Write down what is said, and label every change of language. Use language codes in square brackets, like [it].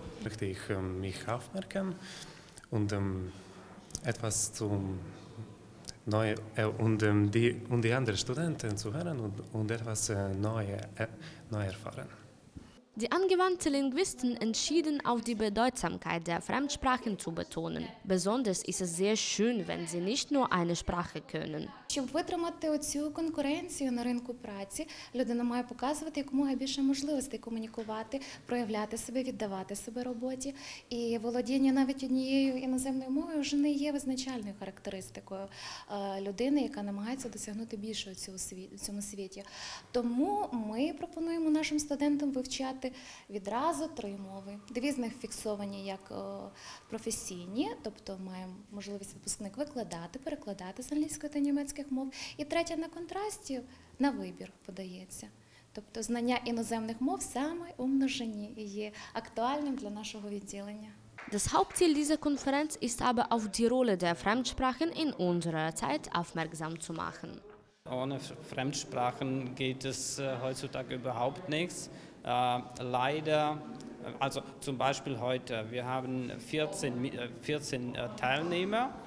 [de] Möchte ich mich aufmerken und etwas zu neu und die anderen Studenten zu hören und etwas neu erfahren. Die angewandten Linguisten entschieden, auf die Bedeutsamkeit der Fremdsprachen zu betonen. Besonders ist es sehr schön, wenn sie nicht nur eine Sprache können. [uk] Щоб витримати оцю конкуренцію на ринку праці, людина має показувати якомога більше можливостей комунікувати, проявляти себе, віддавати себе роботі. І володіння навіть однією іноземною мовою вже не є визначальною характеристикою людини, яка намагається досягнути більше у цьому світі. Тому ми пропонуємо нашим студентам вивчати відразу три мови. Дві з них фіксовані як професійні, тобто маємо можливість випускник викладати, перекладати з англійської та німецької мов, і третя на контрасті на вибір подається. Тобто знання іноземних мов саме у множині є актуальним для нашого відділення. [de] Das Hauptziel dieser Konferenz ist aber, auf die Rolle der Fremdsprachen in unserer Zeit aufmerksam zu machen. Ohne Fremdsprachen geht es heutzutage überhaupt nichts. Leider, also zum Beispiel heute, wir haben 14 Teilnehmer.